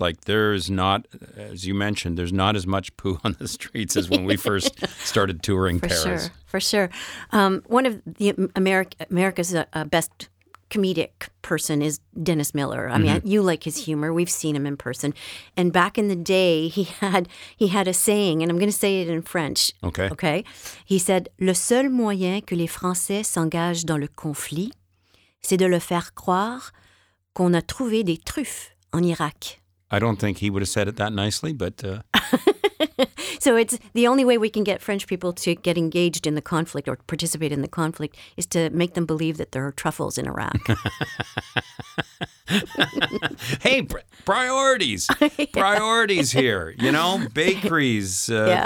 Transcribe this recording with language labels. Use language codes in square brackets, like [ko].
[en] Like, there's not, as you mentioned, there's not as much poo on the streets as when we first started touring for Paris. For sure. One of the America's best comedic person is Dennis Miller. I mean, mm-hmm. you like his humor. We've seen him in person. And back in the day, he had a saying, and I'm going to say it in French. Okay. Okay. He said, [fr] "Le seul moyen que les Français s'engagent dans le conflit, c'est de le faire croire qu'on a trouvé des truffes en Irak." [en] I don't think he would have said it that nicely, but... So it's the only way we can get French people to get engaged in the conflict or participate in the conflict is to make them believe that there are truffles in Iraq. Hey, priorities. Yeah. Priorities here, you know, bakeries, yeah.